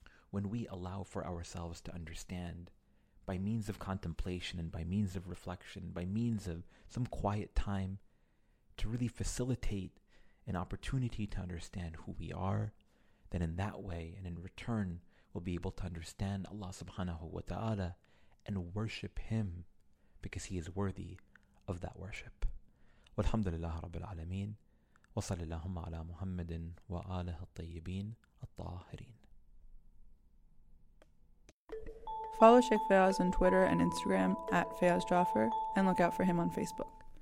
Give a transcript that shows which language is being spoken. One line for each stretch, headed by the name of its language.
English: When we allow for ourselves to understand by means of contemplation and by means of reflection, by means of some quiet time, to really facilitate an opportunity to understand who we are, then in that way and in return, we'll be able to understand Allah subhanahu wa ta'ala and worship Him, because He is worthy of that worship.
Arabic: Walhamdulillah Rabbil Alameen. وصل اللهم على محمد وآله الطيبين الطاهرين.
English: Follow Sheikh Fayaz on Twitter and Instagram @FayazJaffer, and look out for him on Facebook.